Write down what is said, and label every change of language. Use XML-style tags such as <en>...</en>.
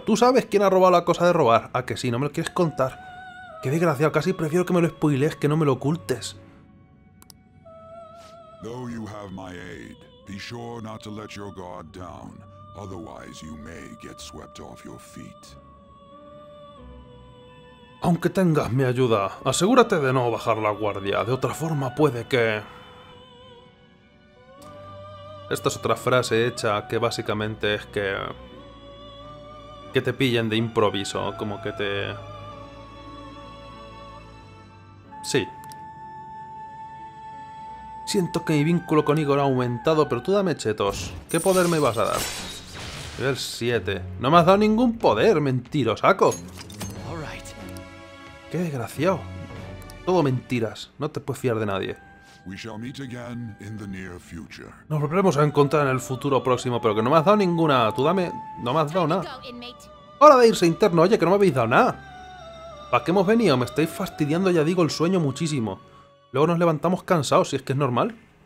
<es>¿Tú sabes quién ha robado la cosa de robar? ¿A que sí? ¿No me lo quieres contar? ¡Qué desgraciado! Casi prefiero que me lo spoilees, que no me lo ocultes.</es> <en>Though you have my aid, be sure not to let your guard down. Otherwise you may get swept off your feet.</en> <es>Aunque tengas mi ayuda, asegúrate de no bajar la guardia. De otra forma puede que... Esta es otra frase hecha que básicamente es que te pillen de improviso, como que te... Sí. Siento que mi vínculo con Igor ha aumentado, pero tú dame chetos. ¿Qué poder me vas a dar? Nivel 7. No me has dado ningún poder, mentiro, saco. Qué desgraciado. Todo mentiras, no te puedes fiar de nadie.</es> <en>We shall meet again in the near future.</en> <es>Nos volveremos a encontrar en el futuro próximo, pero que no me has dado ninguna. Tú dame... No me has dado nada. ¡Hora de irse, interno! Oye, que no me habéis dado nada. ¿Para qué hemos venido? Me estáis fastidiando, ya digo, el sueño muchísimo. Luego nos levantamos cansados, si es que es normal.</es>